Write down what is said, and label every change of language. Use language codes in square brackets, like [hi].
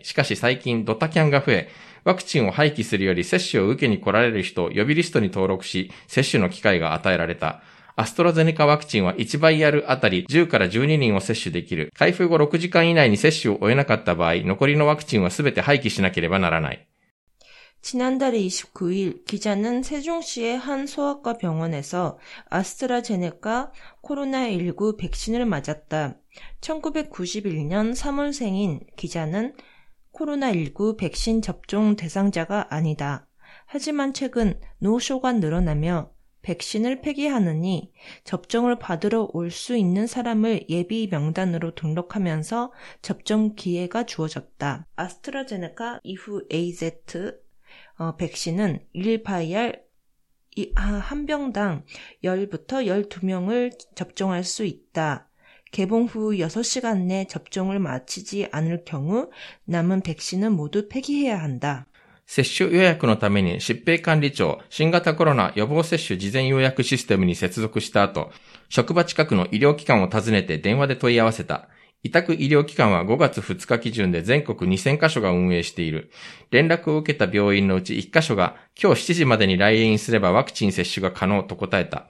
[ja] しかし最近ドタキャンが増え、ワクチンを廃棄するより接種を受けに来られる人を予備リストに登録し、接種の機会が与えられた。アストラゼネカワクチンは1バイアルあたり10から12人を接種できる。開封後6時間以内に接種を終えなかった場合、残りのワクチンはすべて廃棄しなければならない。 [ko] 지난달 29일 기자는 세종시의 한 소아과 병원에서 아스트라제네카 코로나19 백신을 맞았다. 1991년 3월생인 기자는 코로나19 백신 접종 대상자가 아니다. 하지만 최근 노쇼가 늘어나며 백신을 폐기하느니 접종을 받으러 올 수 있는 사람을 예비 명단으로 등록하면서 접종 기회가 주어졌다. 아스트라제네카 이후 AZ 백신은 1바이알 한 병당 10부터 12명을 접종할 수 있다. 개봉 후 6시간 내 접종을 마치지 않을 경우 남은 백신은 모두 폐기해야 한다. [ja] 接種予約のために疾病管理庁新型コロナ予防接種事前予約システムに接続した後、職場近くの医療機関を訪ねて電話で問い合わせた。委託医療機関は5月2日基準で全国2000カ所が運営している。連絡を受けた病院のうち1カ所が、今日7時までに来院すればワクチン接種が可能と答えた。